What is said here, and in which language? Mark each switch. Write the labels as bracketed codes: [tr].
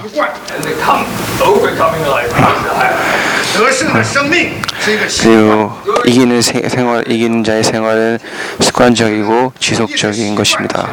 [zh] 习惯 [en] and the come overcoming life is a habit. [zh] 得胜的生命是一个习惯 [ko] 그리고이기는생활이기는자의생활은습관적이고지속적인것입니다